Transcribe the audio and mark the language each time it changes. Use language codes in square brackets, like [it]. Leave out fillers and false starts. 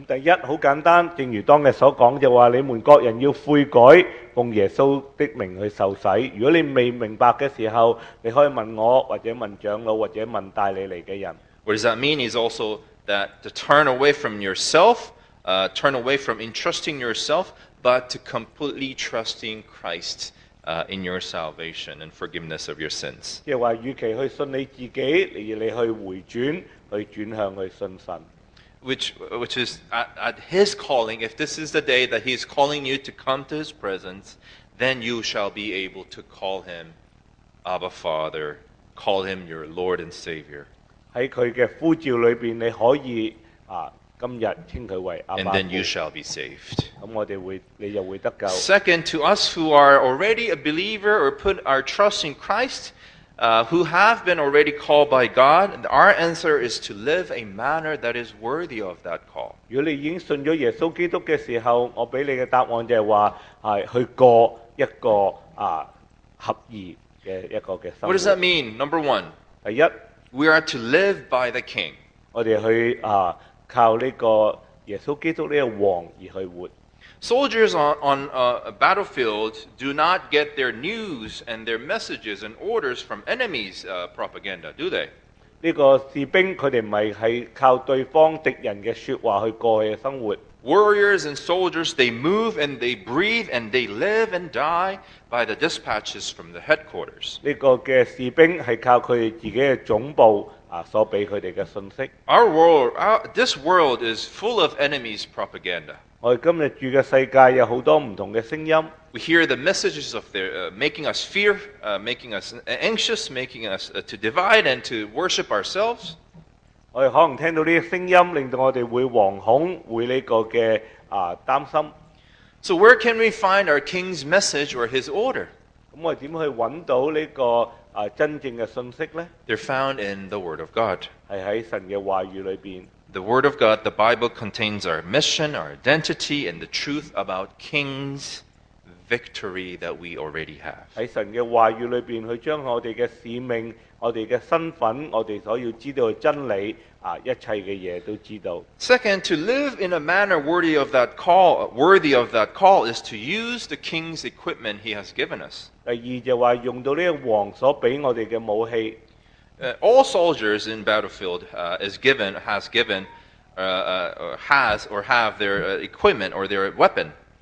[zh] 第一，很简单，正如当日所讲，就话你们各人要悔改，奉耶稣的名去受洗。如果你未明白的时候，你可以问我，或者问长老，或者问带你来的人。 [en] What does that mean? It's also that to turn away from yourself, turn away from entrusting yourself, but to completely trusting Christ in your salvation and forgiveness of your sins. [zh] 即是说，与其去信你自己，而你去回转，去转向去信神。 [en] Which is at His calling, if this is the day that He is calling you to come to His presence, then you shall be able to call Him Abba Father, call Him your Lord and Savior. [zh] 在祂的呼召里面，你可以今日称祂为阿爸父。 [en] And then you shall be saved. [zh] 我们会，你就会得救。 [en] Second, to us who are already a believer or put our trust in Christ, who have been already called by God, our answer is to live a manner that is worthy of that call. [zh] 如果你已经信了耶稣基督的时候，我给你的答案就是说，是去过一个合宜的一个生活。 [en] What does that mean? Number one. [zh] 第一。 [en] We are to live by the King. [zh] 我们去靠这个耶稣基督呢个王而去活。 [en] Soldiers on a battlefield do not get their news and their messages and orders from enemies' propaganda, do they? [zh] 这个士兵他们不是靠对方敌人的说话去过去的生活。 [en] Warriors and soldiers, they move and they breathe and they live and die by the dispatches from the headquarters. [zh] 这个的士兵是靠他们自己的总部所给他们的信息。 [en] Our world, this world is full of enemies' propaganda. [zh] 我们今天住的世界有很多不同的声音。 [en] We hear the messages of their, making us fear, making us anxious, making us to divide and to worship ourselves. [zh] 我们可能听到这些声音，令到我们会惶恐，会这个的担心。 [en] So where can we find our king's message or his order? [zh] 那我们怎么去找到这个真正的信息呢？ [en] They're found in the word of God. [zh] 是在神的话语里面。 [en] The Word of God, the Bible, contains our mission, our identity, and the truth about King's victory that we already have. [zh] 在神的话语里面，他将我们的使命、我们的身份、我们所要知道的真理一切的事都知道。 [en] Second, to live in a manner worthy of that call is to use the King's equipment he has given us. [zh] 第二就是说用到这个王所给我们的武器。 [en] All soldiers in battlefield have their equipment or their weapon.